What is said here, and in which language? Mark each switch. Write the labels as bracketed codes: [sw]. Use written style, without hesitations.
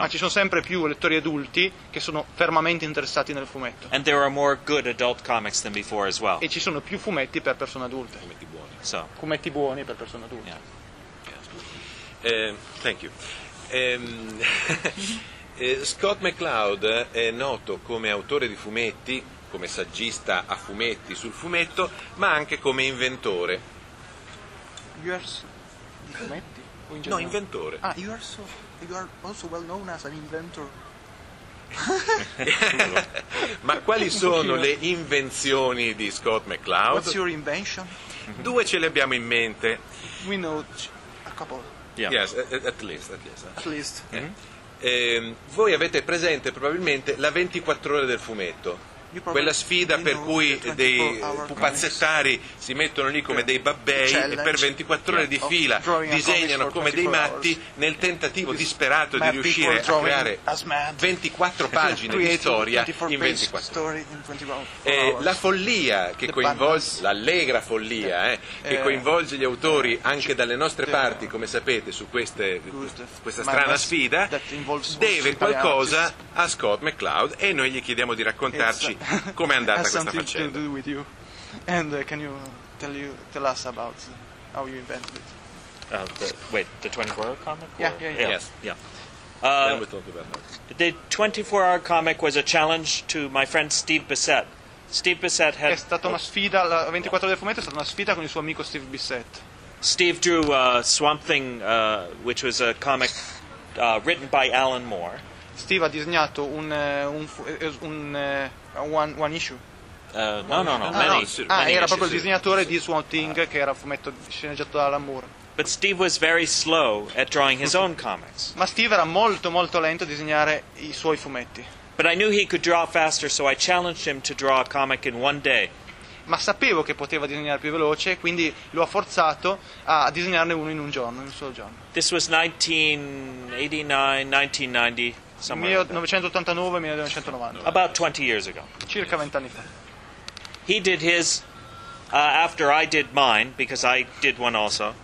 [it] Ma ci sono sempre più lettori adulti che sono fermamente interessati nel fumetto. [en] And there are more good adult comics than before as well. [it] E ci sono più fumetti per persone adulte. Fumetti buoni. [en] So. [it] Fumetti buoni per persone adulte. [en] Yeah. Thank you. [it] Scott McCloud è noto come autore di fumetti, come saggista a fumetti sul fumetto, ma anche come inventore. [en] Yours [it] di fumetti? O in generale? No, inventore. [en] Ah, you are also well known as an inventor. [it] Ma quali sono le invenzioni di Scott McCloud? [en] What's your invention? [it] Due ce le abbiamo in mente. [en] We know a couple. Yeah. Yes, at least. Mm-hmm. [it] Voi avete presente probabilmente la 24 ore del fumetto, quella sfida per cui dei pupazzettari si mettono lì come dei babbei e per 24 ore di fila disegnano come dei matti nel tentativo disperato di riuscire a creare 24 pagine di storia in 24 ore. La follia che coinvolge, l'allegra follia che coinvolge gli autori anche dalle nostre parti, come sapete, su questa strana sfida, deve qualcosa a Scott McCloud e noi gli chiediamo di raccontarci come è andata questa faccenda. [en] And can you tell us about how you invented it? The 24 hour comic? Yeah. Then we'll talk about that. The 24 hour comic was a challenge to my friend Steve Bissett. Steve Bissett had. [it] È stata una sfida, la 24 ore del fumetto è stata una sfida con il suo amico Steve Bissett. [en] Steve drew Swamp Thing, which was a comic written by Alan Moore. [it] Steve ha disegnato [en] one issue. No, many. [it] Era proprio il disegnatore di Swamp Thing, che era un fumetto sceneggiato da Alan Moore. [en] But Steve was very slow at drawing his own comics. [it] Ma Steve era molto molto lento a disegnare i suoi fumetti. [en] But I knew he could draw faster, so I challenged him to draw a comic in one day. [it] Ma sapevo che poteva disegnare più veloce, quindi lo ha forzato a disegnarne uno in un giorno, in un solo giorno. [en] This was 1989-1990. [it] 1989-1990. [en] About 20 years ago. [it] Circa 20 anni fa. [en] He did his after I did mine, because I did one also.